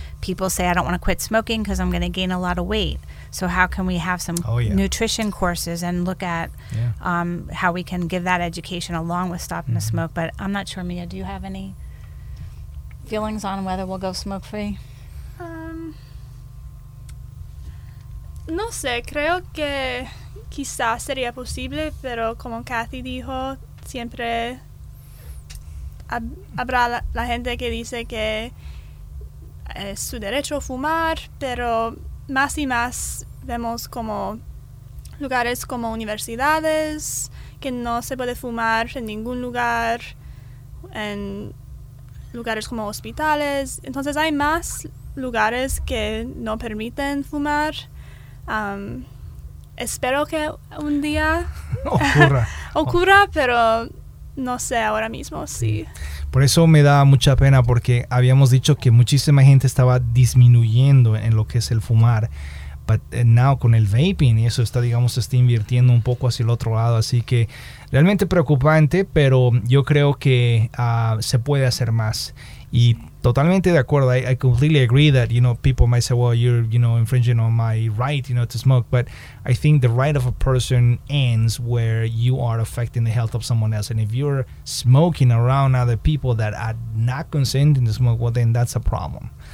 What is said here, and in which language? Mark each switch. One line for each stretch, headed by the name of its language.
English: People say, I don't want to quit smoking because I'm going to gain a lot of weight. So how can we have some nutrition courses and look at how we can give that education along with stopping to smoke? But I'm not sure, Mia, do you have any feelings on whether we'll go smoke-free?
Spanish: No sé, creo que quizás sería posible, pero como Kathy dijo, siempre habrá la gente que dice que es su derecho fumar, pero más y más vemos como lugares como universidades, que no se puede fumar en ningún lugar, en lugares como hospitales. Entonces hay más lugares que no permiten fumar. Espero que un día ocurra, pero no sé ahora mismo si. Por eso me da mucha pena, porque habíamos dicho que muchísima gente estaba disminuyendo en lo que es el fumar.
English: But now
Spanish: con el vaping, y eso está, digamos, está invirtiendo un poco hacia el otro lado. Así que realmente preocupante, pero yo creo que se puede hacer más. Y totalmente de acuerdo.
English: I completely agree that, you know, people might say, well, you're, you know, infringing on my right, you know, to smoke. But I think the right of a person ends where you are affecting the health of someone else. And if you're smoking around other people that are not consenting to smoke, well, then that's a problem.